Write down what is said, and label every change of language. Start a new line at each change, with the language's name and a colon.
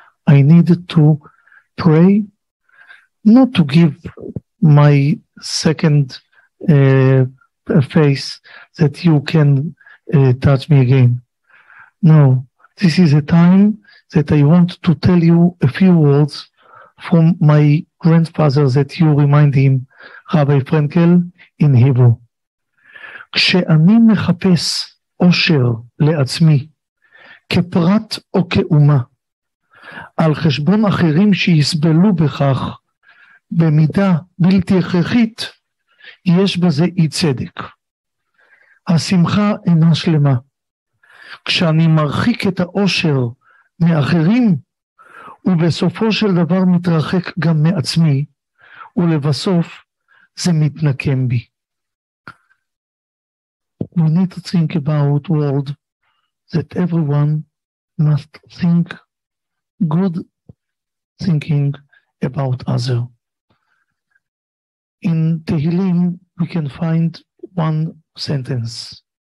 English: I need to pray, not to give my second face that you can touch me again. No, this is a time that I want to tell you a few words from my grandfather that you remind him, Rabbi Frankel, in Hebrew.
Hebrew: כשאני מחפש אושר לעצמי, כפרט או כאומה, על חשבון אחרים שיסבלו בכך, במידה בלתי הכרחית, יש בזה אי צדק. השמחה אינה שלמה. כשאני מרחיק את האושר מאחרים, ובסופו של דבר מתרחק גם מעצמי, ולבסוף זה מתנקם בי.
English: We need to think about world that everyone must think good thinking about other. In Tehillim, we can find one sentence.